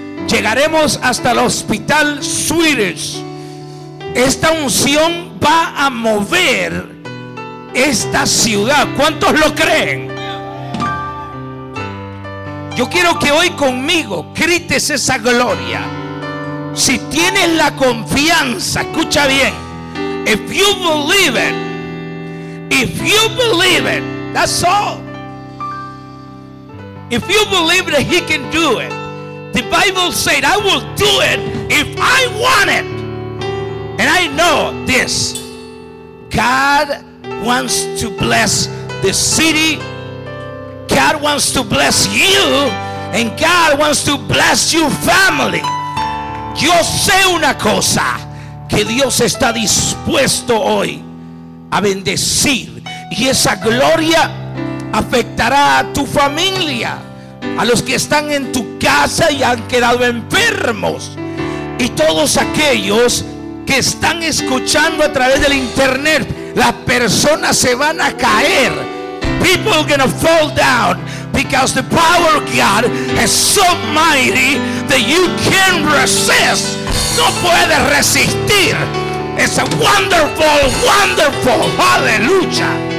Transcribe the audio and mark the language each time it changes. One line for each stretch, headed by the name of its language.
Spanish: Llegaremos hasta el hospital Swedish. Esta unción va a mover esta ciudad. ¿Cuántos lo creen? Yo quiero que hoy conmigo grites esa gloria. Si tienes la confianza, escucha bien.
English: If you believe it, if you believe it, that's all. If you believe that He can do it, the Bible said, I will do it if I want it. And I know this. God wants to bless the city. God wants to bless you. And God wants to bless your family.
Spanish: Yo sé una cosa. Que Dios está dispuesto hoy a bendecir. Y esa gloria afectará a tu familia, a los que están en tu casa y han quedado enfermos, y todos aquellos que están escuchando a través del internet. Las personas se van a caer.
English: People are gonna fall down because the power of God is so mighty that you can't resist.
Spanish: No puedes resistir.
English: It's a wonderful, wonderful.
Spanish: Aleluya.